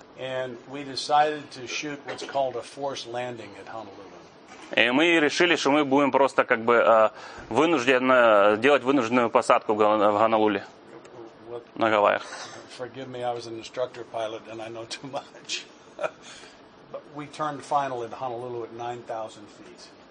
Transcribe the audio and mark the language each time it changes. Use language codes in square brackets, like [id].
[en] And we decided to shoot what's called a forced landing at Honolulu. [ru] И мы решили, что мы будем просто как бы вынуждены делать вынужденную посадку в Гонолуле на Гавайях. [en] Forgive me, I was an instructor pilot and I know too much. But we turned final in Honolulu at 9,000 feet.